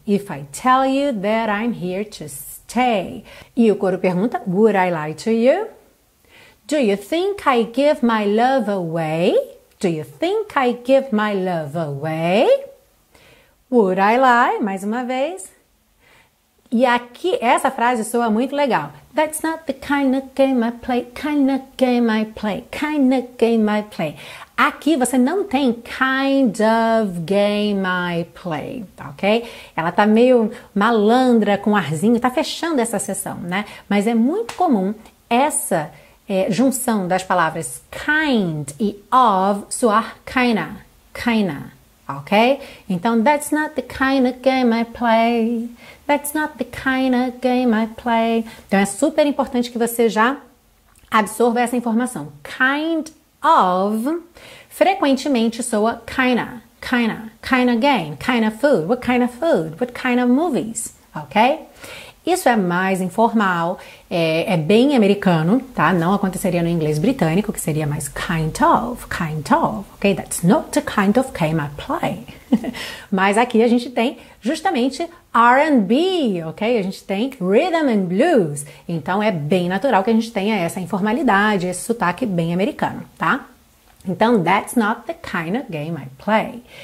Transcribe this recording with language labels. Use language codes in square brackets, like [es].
[en] If I tell you that I'm here to stay. [pt] E o coro pergunta, [en] would I lie to you? Do you think I give my love away? Do you think I give my love away? Would I lie? [pt] Mais uma vez. E aqui, essa frase soa muito legal. [en] That's not the kind of game I play, kind of game I play, kind of game I play. [pt] Aqui você não tem [en] kind of game I play, [pt] tá ok? Ela tá meio malandra, com arzinho, tá fechando essa sessão, né? Mas é muito comum essa junção das palavras kind e of soar kinda, kinda. Ok? [en] Então, that's not the kind of game I play. That's not the kind of game I play. [pt] Então, é super importante que você já absorva essa informação. [en] Kind of, [pt] frequentemente soa [en] kinda, kinda, kinda game, kinda food. What kind of food? What kind of movies? Ok? [pt] Isso é mais informal, é bem americano, tá? Não aconteceria no inglês britânico, que seria mais kind of, ok? [en] That's not the kind of game I play. [pt] Mas aqui a gente tem justamente R&B, ok? A gente tem rhythm and blues. Então é bem natural que a gente tenha essa informalidade, esse sotaque bem americano, tá? [en] Então, that's not the kind of game I play.